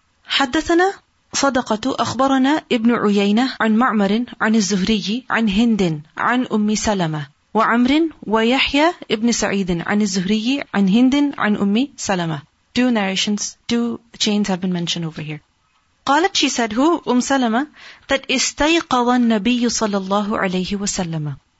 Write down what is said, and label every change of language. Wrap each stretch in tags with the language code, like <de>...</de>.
<ar>حدثنا صدقة أخبرنا ابن عيينة عن معمر عن الزهري عن هند عن أم سلمة وعمر ويحيى ابن سعيد عن الزهري عن هند عن أم سلمة.</ar> <en>Two narrations, two chains have been mentioned over here.</en> <ar>قالت,</ar> <en>she said, who?</en> <ar>أم سلمة,</ar> <en>that</en> <ar>استيقظ النبي صلى الله عليه وسلم.</ar>